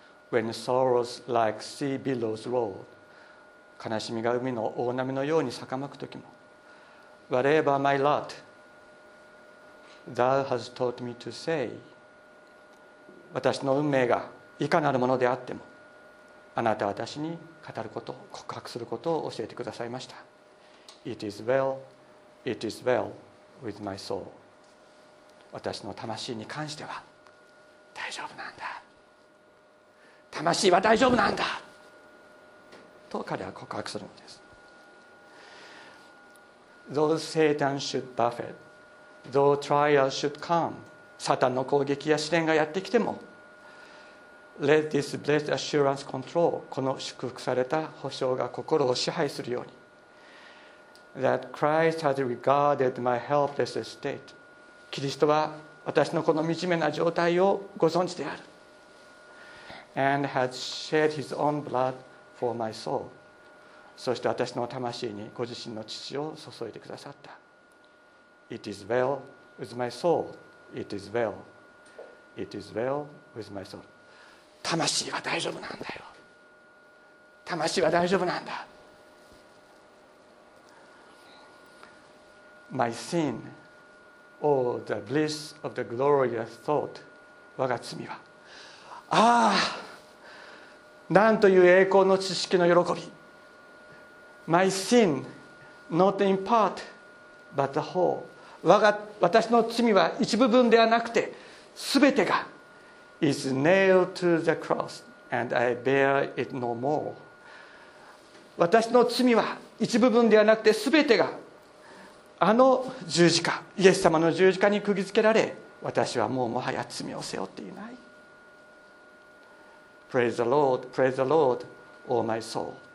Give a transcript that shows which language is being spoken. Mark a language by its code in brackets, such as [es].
[en] When sorrows like sea billows roll, [ja] 悲しみが海の大波のように逆まく時も。 [en] Whatever my lot, thou hast taught me to say, [ja] 私の運命がいかなるものであっても、あなたは私に語ること、告白することを教えてくださいました。 [en] It is well, it is well with my soul. [ja] 私の魂に関しては大丈夫なんだ。魂は大丈夫なんだ。と彼は告白するのです。 [en] Though Satan should buffet, though trials should come, [ja] サタンの攻撃や試練がやってきても、 [en] Let this blessed assurance control, [ja] この祝福された保証が心を支配するように。 [en] That Christ has regarded my helpless state. [ja] キリストは私のこの惨めな状態をご存知である。 [en] And has shed his own blood for my soul. [ja] そして私の魂にご自身の血を注いでくださった。 [en] It is well with my soul. It is well. It is well with my soul. [ja] 魂は大丈夫なんだよ。魂は大丈夫なんだ。 [en] My sin, oh the bliss of the glorious thought, [ja] 我が罪は。ああ、なんという栄光の知識の喜び。 [en] My sin, not in part, but the whole. [ja] 私の罪は一部分ではなくて、すべてが。 [en] Is nailed to the cross, and I bear it no more. [ja] 私の罪は一部分ではなくて全てがあの十字架、イエス様の十字架に釘付けられ、私はもうもはや罪を背負っていない。 [en] Praise the Lord, praise the Lord, all my soul.